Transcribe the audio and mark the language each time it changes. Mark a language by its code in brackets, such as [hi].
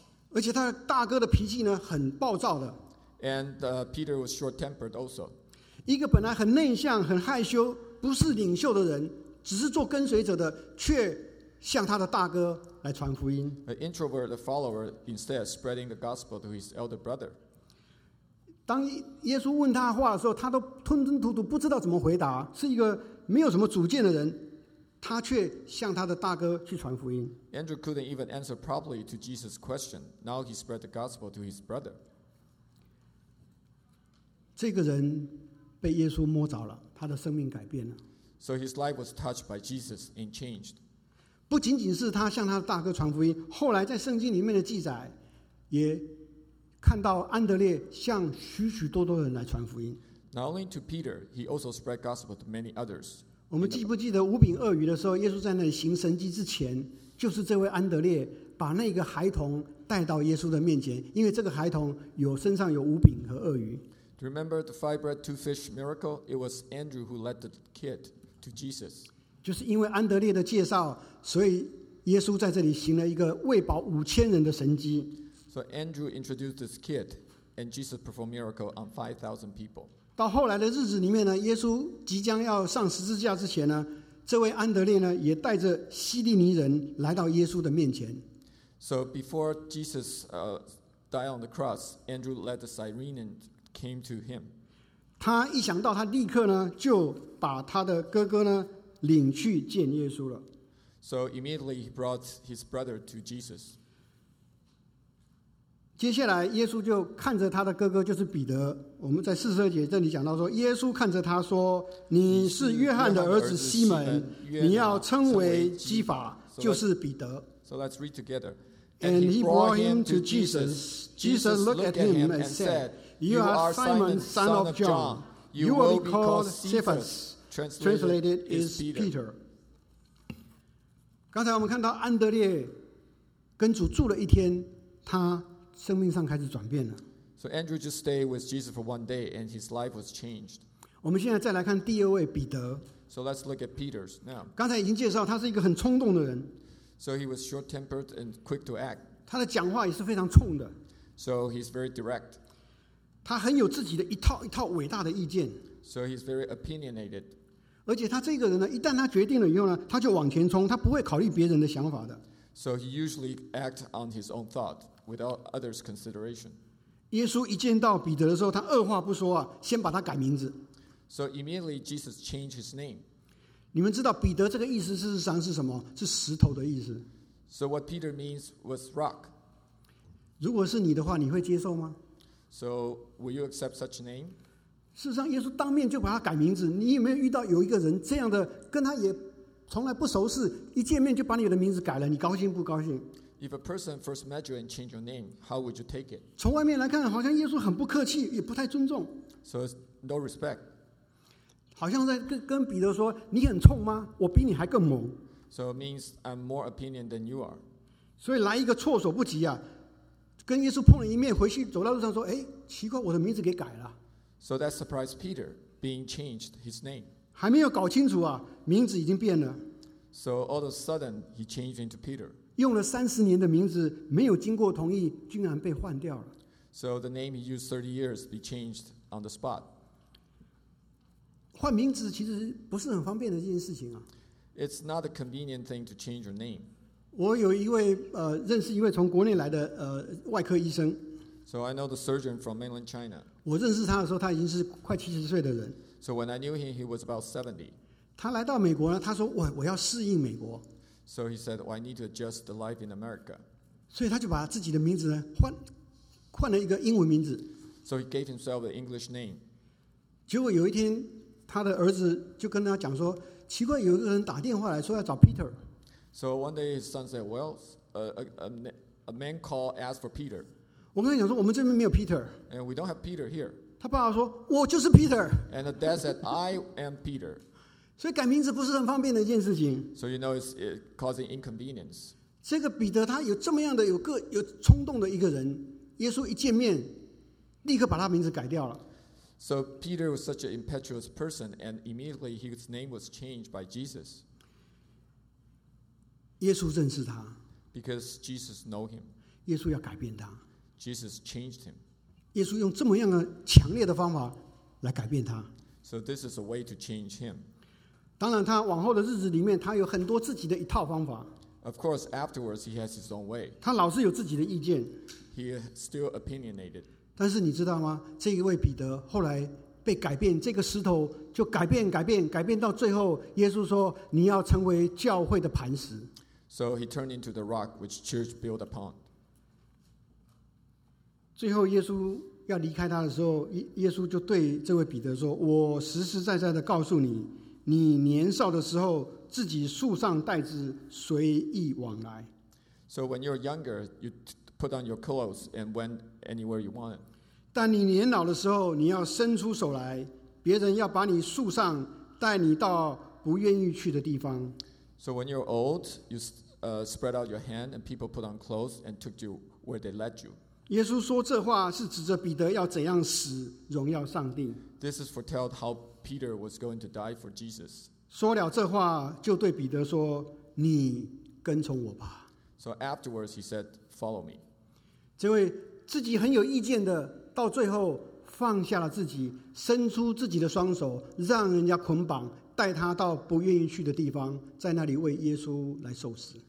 [zh] 而且他大哥的脾气呢，很暴躁的。 [en] And Peter was short-tempered also. [zh] 一个本来很内向、很害羞、不是领袖的人，只是做跟随者的，却向他的大哥来传福音。 [en] An introvert, a follower, instead spreading the gospel to his elder brother. [zh] 当耶稣问他话的时候，他都吞吞吐吐，不知道怎么回答，是一个没有什么主见的人，他却向他的大哥去传福音。 [en] Andrew couldn't even answer properly to Jesus' question. Now he spread the gospel to his brother. [zh] 这个人被耶稣摸着了，他的生命改变了。 [en] So his life was touched by Jesus and changed. [zh] 不仅仅是他向他的大哥传福音，后来在圣经里面的记载也看到安德烈向许许多多人来传福音。 [en] Not only to Peter, he also spread gospel to many others. [zh] 我们记不记得五饼二鱼的时候，耶稣在那里行神迹之前，就是这位安德烈把那个孩童带到耶稣的面前，因为这个孩童有身上有五饼和二鱼。 [en] Do you remember the five bread two fish miracle? It was Andrew who led the kid to Jesus. [zh] 就是因为安德烈的介绍，所以耶稣在这里行了一个喂饱五千人的神迹。 [en] So Andrew introduced this kid, and Jesus performed miracle on 5,000 people. [zh] 到后来的日子里面呢，耶稣即将要上十字架之前呢，这位安德烈呢也带着西利尼人来到耶稣的面前。 [en] So before Jesus died on the cross, Andrew led the Cyrenian came to him. [zh] 他一想到他立刻呢就把他的哥哥呢领去见耶稣了。 [en] So immediately he brought his brother to Jesus. [zh] 接下来耶稣就看着他的哥哥，就是彼得。我们在四十二节这里讲到说，耶稣看着他说，你是约翰的儿子西门，你要称为基法，就是彼得。 [en] So let's read together. And he brought him to Jesus. Jesus looked at him and said, You are Simon, son of John. You will be called Cephas. Translated is Peter. [zh] 刚才我们看到安德烈跟主住了一天，他生命上开始转变了。 [en] So Andrew just stayed with Jesus for one day, and his life was changed. [zh] 我们现在再来看第二位彼得。 [en] So let's look at Peter now. [zh] 刚才已经介绍他是一个很冲动的人。 [en] So he was short-tempered and quick to act. [zh] 他的讲话也是非常冲的。 [en] So he's very direct. [zh] 他很有自己的一套一套伟大的意见。 [en] So he's very opinionated. [zh] 而且他这个人呢，一旦他决定了以后呢，他就往前冲，他不会考虑别人的想法的。 [en] So he usually acts on his own thought without others' consideration. [zh] 耶稣一见到彼得的时候，他二话不说啊，先把他改名字。 [en] So immediately Jesus changed his name. [zh] 你们知道彼得这个意思事实上是什么？是石头的意思。 [en] So what Peter means was rock. [zh] 如果是你的话，你会接受吗？ [en] So will you accept such name? [zh] 事实上，耶稣当面就把他改名字。你有没有遇到有一个人这样的，跟他也从来不熟识，一见面就把你的名字改了？你高兴不高兴？ [en] If a person first met you and changed your name, how would you take it? [zh] 从外面来看，好像耶稣很不客气，也不太尊重。 [en] So no respect. [zh] 好像在跟彼得说：“你很冲吗？我比你还更猛。” [en] So it means I'm more opinion than you are. [zh] 所以来一个措手不及啊，跟耶稣碰了一面，回去走到路上说：“哎，奇怪，我的名字给改了。” [en] So that surprised Peter being changed his name. [zh] 还没有搞清楚啊，名字已经变了。 [en] So all of a sudden he changed into Peter. [zh] 用了30年的名字没有经过同意，竟然被换掉了。 [en] So the name he used 30 years be changed on the spot. [zh] 换名字其实不是很方便的一件事情啊。 [en] It's not a convenient thing to change your name. [zh] 我有一位认识一位从国内来的外科医生。 [en] So I know the surgeon from mainland China. [zh] 我认识他的时候，他已经是快70岁的人。 [en] So when I knew him, he was about 70. [zh] 他来到美国呢，他说我要适应美国。 [en] So he said, I need to adjust the life in America. [zh] 所以他就把自己的名字呢换了一个英文名字。 [en] So he gave himself an English name. [zh] 结果有一天。他的儿子就跟他讲说：“奇怪，有一个人打电话来说要找 Peter。” [en] So one day his son said, "Well, a man called asked for Peter." [zh] 我跟他讲说：“我们这边没有 Peter。” [en] And we don't have Peter here. [zh] 他爸爸说：“我就是 Peter。” [en] And the dad said, "I am Peter." [zh] 所以改名字不是很方便的一件事情。 [en] So you know it's causing inconvenience. [zh] 这个彼得他有这么样的有冲动的一个人，耶稣一见面，立刻把他名字改掉了。 [en] So Peter was such an impetuous person, and immediately his name was changed by Jesus. [zh] 耶稣认识他 [en] because Jesus knew him. [zh] 耶稣要改变他 [en] Jesus changed him. [zh] 耶稣用这么样的强烈的方法来改变他 [en] So this is a way to change him. [zh] 当然，他往后的日子里面，他有很多自己的一套方法 [en] Of course, afterwards he has his own way. [zh] 他老是有自己的意见 [en] He is still opinionated. [zh] 但是你知道吗？这一位彼得后来被改变，这个石头就改变、改变、改变，到最后，耶稣说：“你要成为教会的磐石。” [en] So he turned into the rock which church built upon. [zh] 最后，耶稣要离开他的时候，耶稣就对这位彼得说：“我实实在在的告诉你，你年少的时候自己束上带子，随意往来。” [en] So when you're younger, you put on your clothes and went. Anywhere you want. [zh] 但你年老的时候，你要伸出手来，别人要把你束上，带你到不愿意去的地方。 [en] So when you're old, you spread out your hand, and people put on clothes and took you where they led you. [zh] 耶稣说这话是指着彼得要怎样死，荣耀上帝。 [en] This is foretold how Peter was going to die for Jesus. [zh] 说了这话，就对彼得说：“你跟从我吧。” [en] So afterwards, he said, "Follow me." [zh] 这位自己很有意见的，到最后放下了自己，伸出自己的双手，让人家捆绑，带他到不愿意去的地方，在那里为耶稣来受死。